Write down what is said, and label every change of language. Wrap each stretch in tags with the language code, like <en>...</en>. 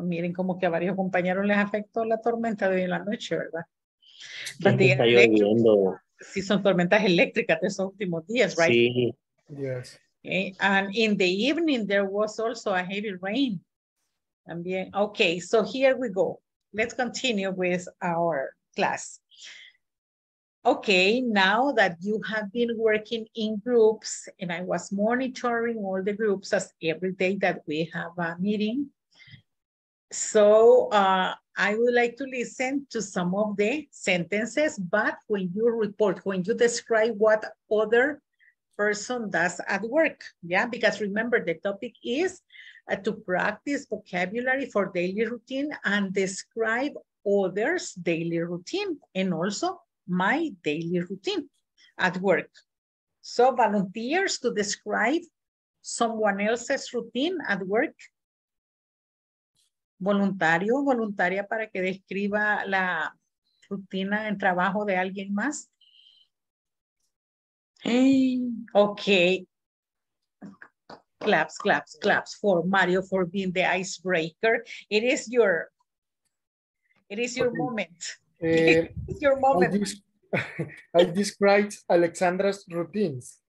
<es>Miren como que a varios compañeros les afectó la tormenta de hoy en la noche, ¿verdad? Está lloviendo. Sí, son tormentas eléctricas de esos últimos días, right? Sí.</es> <en>Yes. Okay. And in the evening, there was also a heavy rain. También. Okay, so here we go. Let's continue with our class. Okay, now that you have been working in groups, and I was monitoring all the groups as every day that we have a meeting. So I would like to listen to some of the sentences, but when you report, when you describe what other person does at work, yeah? Because remember, the topic is to practice vocabulary for daily routine and describe others' daily routine and also my daily routine at work. So volunteers to describe someone else's routine at work.</en> <es>Voluntario, voluntaria para que describa la rutina en trabajo de alguien más.</es> <en>Okay. Claps, claps, claps for Mario for being the icebreaker. It is your okay. Moment. It's your moment. I described Alexandra's routines.</en>